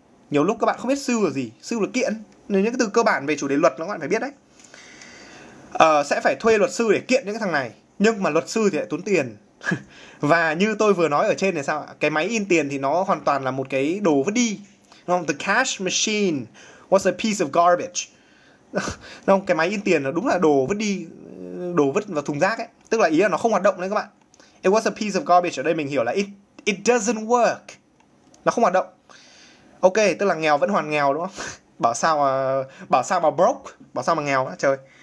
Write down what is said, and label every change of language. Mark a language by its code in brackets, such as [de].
[vi] Nhiều lúc các bạn không biết sue là gì, sue là kiện, nên những cái từ cơ bản về chủ đề luật các bạn phải biết đấy. Sẽ phải thuê luật sư để kiện những cái thằng này, nhưng mà luật sư thì lại tốn tiền. Và như tôi vừa nói ở trên này, sao cái máy in tiền thì nó hoàn toàn là một cái đồ vứt đi, đúng không? [en] The cash machine was a piece of garbage. [vi] Không, cái máy in tiền nó đúng là đồ vứt đi, đồ vứt vào thùng rác ấy, tức là ý là nó không hoạt động đấy các bạn. [en] It was a piece of garbage, [vi] ở đây mình hiểu là [en] it doesn't work, [vi] nó không hoạt động. Ok, tức là nghèo vẫn hoàn nghèo đúng không? Bảo sao mà broke, bảo sao mà nghèo á trời.